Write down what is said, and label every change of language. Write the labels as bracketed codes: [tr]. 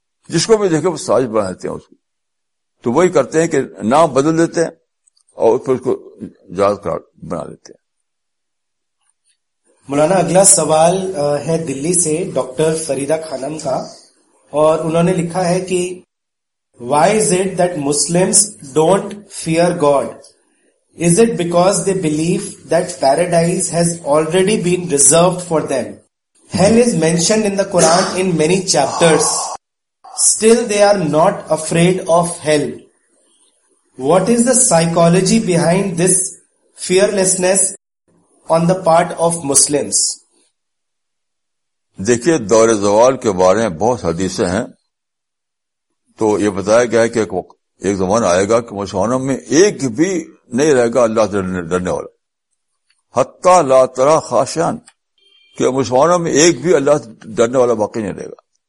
[ur] جس کو بھی دیکھے وہ سازش بنا دیتے ہیں اس کو, تو وہی کرتے ہیں کہ نام بدل دیتے ہیں اور پھر اس کو جائز قرار بنا دیتے ہیں. مولانا اگلا سوال ہے دلی سے ڈاکٹر فریدہ خانم کا, اور انہوں نے لکھا ہے کہ [en] Why is it that Muslims don't fear God, Is it because they believe that paradise has already been reserved for them? Hell is mentioned in the Quran in many chapters. Still, they are not afraid of hell. What is the psychology behind this fearlessness on the part of Muslims? [ur] دیکھیے دور زوال کے بارے میں بہت حدیثیں ہیں, تو یہ بتایا گیا کہ ایک زمانہ آئے گا کہ مسلمانوں میں ایک بھی نہیں رہے گا اللہ سے ڈرنے والا, [ar] حتی لا ترا خاشعاً, [ur] کہ مسلمانوں میں ایک بھی اللہ سے ڈرنے والا باقی نہیں رہے گا.